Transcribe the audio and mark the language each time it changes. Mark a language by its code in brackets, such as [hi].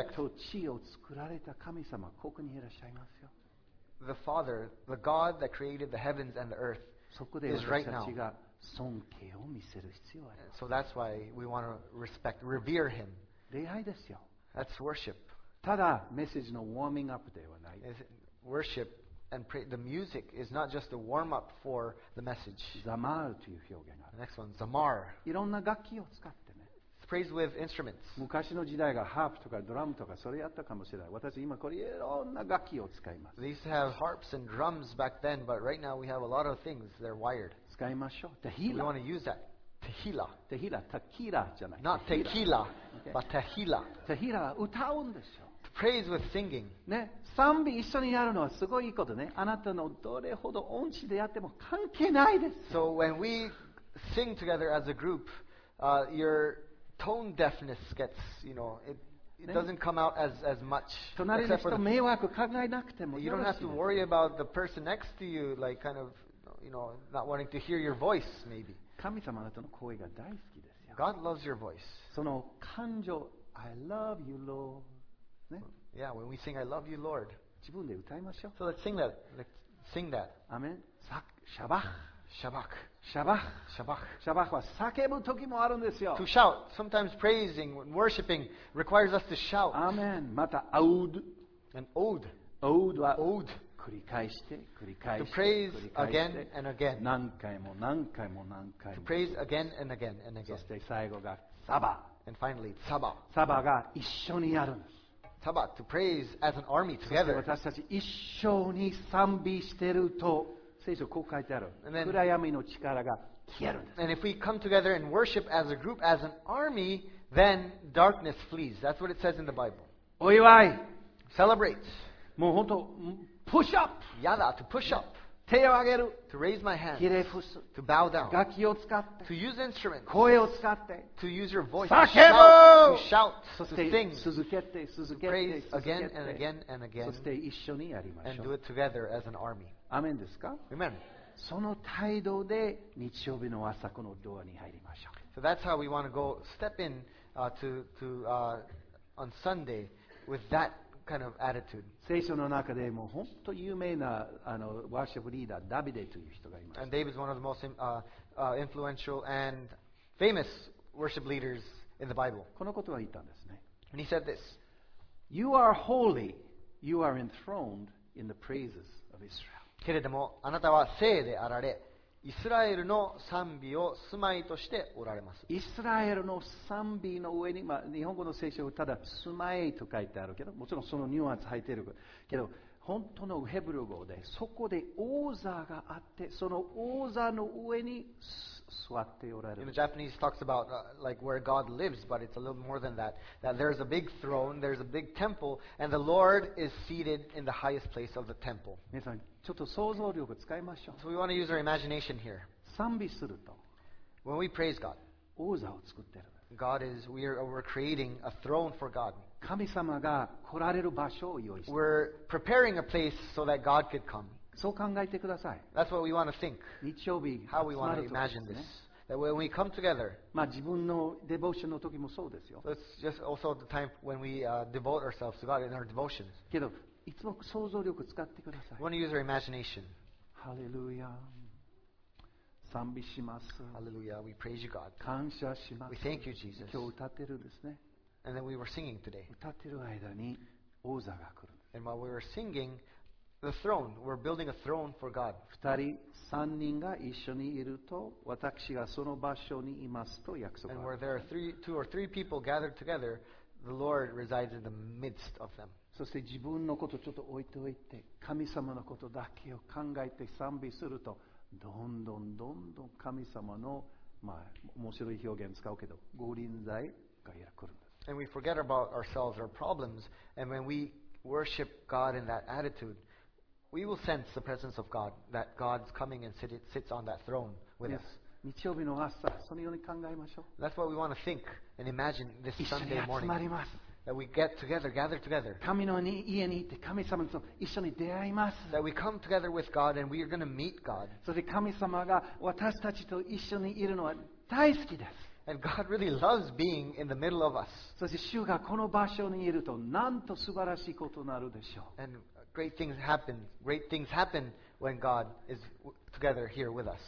[ja] 天と地を作られた神様ここにいらっしゃいますよ。 [en] The Father, the God that created the heavens and the earth, [ja] そこで [en] is right now. [ja] 私たちが尊敬を見せる必要があります。 [en] So that's why we want to respect, revere him. [ja] 礼拝ですよ。 [en] That's worship. [ja] ただメッセージのウォーミングアップではない。 [en] Worship and pray. The music is not just a warm up for the message. [ja] ザマールという表現がある。 [en] The next one, ザマール。 [ja] いろんな楽器を使ってね。 [en] Praise with instruments. [ja] 昔の時代がハープとかドラムとかそれやったかもしれない。私今これいろんな楽器を使います。 [en] They used to have harps and drums back then, but right now we have a lot of things. They're wired. [ja] 使いましょう。Tequila. [en] We want to use that. Tequila. [ja] Tequila. Tequila じゃない。 [en] Not tequila, but tequila. [ja] Tequila は歌うんですよ。 [en] Praise with singing. [ja] ね、賛美一緒にやるのはすごいいいことね。あなたのどれほど音痴でやっても関係ないです。 [en] So when we sing together as a group, your tone deafness gets, you know, it doesn't come out as much. [ja] 隣の人迷惑考えなくてもよろ [en] しい。You don't have to worry about the person next to you, like kind of, you know, not wanting to hear your voice, maybe. [ja] 神様あなたの声が大好きですよ。 [en] God loves your voice. [ja] その感情、 [en] I love you, Lord. [ja] ね、 [en] yeah, when we sing, I love you, Lord. [ja] 自分で歌いましょう。 [en] So let's sing that. Let's sing that. Amen. Shabbach. Shabbach. Shabbach. Shabbach. [ja] Shabbach は叫ぶ時もあるんですよ。 [en] To shout. Sometimes praising, worshiping requires us to shout. [ja] Amen. また、oud. [en] An oud. [ja] Oud は、 [en] oud. [ja] 繰り返して、繰り返して。 [en] To praise again and again. [ja] 何回も何回も何回も。 [en] To praise again and again and again. [ja] そして最後が、サバ。 [en] And finally, サバ。 [ja] サバが一緒にやるんです。 [en] Saba, to praise as an army together. [ja] 私たち一緒に賛美してると聖書こう書いてある。暗闇の力が消えるんです。 [en] And if we come together and worship as a group, as an army, then darkness flees. That's what it says in the Bible. [ja] お祝い。 [en] Celebrate. [ja] もう本当、 [en] push up. [ja] やだ、 [en] to push up. [ja] 手を上げる。 [en] To raise my hands. [ja] ひれ伏す。 [en] To bow down. [ja] 楽器を使って。 [en] To use instruments. [ja] 声を使って。 [en] To use your voice. [ja] 叫ぶ。 [en] Shout, to shout. [ja] そして、 [en] to sing. [ja] 続けて、続けて。 [en] To praise again and again and again. [ja] そして一緒にやりましょう。 [en] And do it together as an army. [ja] アメンですか？ [en] Amen. [ja] その態度で日曜日の朝このドアに入りましょう。 [en] So that's how we want to go step in on Sunday with that. Kind of attitude. [ja] 聖書の中でも本当に有名なあのワーシップリーダーダビデという人がいます。 [en] And David is one of the most influential and famous worship leaders in the Bible. このことは言ったんですね。 And he said this: You are holy, you are enthroned in the praises of Israel. [ja] けれどもあなたは聖であられ、イスラエルの賛美を住まいとしておられます。イスラエルの賛美の上に、まあ、日本語の聖書はただ住まいと書いてあるけど、もちろんそのニュアンス入っているけど、本当のヘブル語でそこで王座があって、その王座の上に座っておられる。 [en] The Japanese talks about like where God lives, but it's a little more than that. That there's a big throne, there's a big temple, and the Lord is seated in the highest place of the temple. [ja] 皆さん、ちょっと想像力を使いましょう。 [en] So we want to use our imagination here. [ja] 賛美すると、 [en] when we praise God, [ja] 王座を作ってる。 [en] God is, we're creating a throne for God. [ja] 神様が来られる場所を用意して。 [en] We're preparing a place so that God could come. [ja] そう考えてください。 [en] That's what we want to think. [ja] 日曜日、 [en] how we want to imagine this. That when we come together, [ja] まあ自分のデボーションの時もそうですよ。 [en] It's just also the time when we devote ourselves to God in our devotions. [ja] けど、いつも想像力を使ってください。 [en] We want to use our imagination. [ja] Hallelujah. 賛美します。 [en] Hallelujah, we praise you, God. [ja] 感謝します。 [en] We thank you, Jesus. [ja] 今日歌ってるんですね。 [en] And then we were singing today. [ja] 歌ってる間に王座が来る。 [en] And while we were singing, the throne, we're building a throne for God. [ja] 二人、三人が一緒にいると、私がその場所にいますと約束がある。 [en] And where there are two or three people gathered together, the Lord resides in the midst of them. [ja] そして自分のことちょっと置いておいて、神様のことだけを考えて賛美すると、どんどんどんどん神様の、まあ、面白い表現使うけど、御臨在が来るんです。 [en] And we forget about ourselves, our problems, and when we worship God in that attitude, we will sense the presence of God, that God's coming and sits on that throne with us. [ja] 日曜日の朝、そのように考えましょう。 [en] That's what we want to think and imagine this Sunday morning. [ja] 一緒に集まります。 [en] That we get together, gather together. [ja] 神の家に行って神様と一緒に出会います。 [en] That we come together with God and we are going to meet God. [ja] そして神様が私たちと一緒にいるのは大好きです。 [en] And God really loves being in the middle of us. [ja] そして主がこの場所にいるとなんと素晴らしいことになるでしょう。 [en] And great things happen. Great things happen when God is together here with us.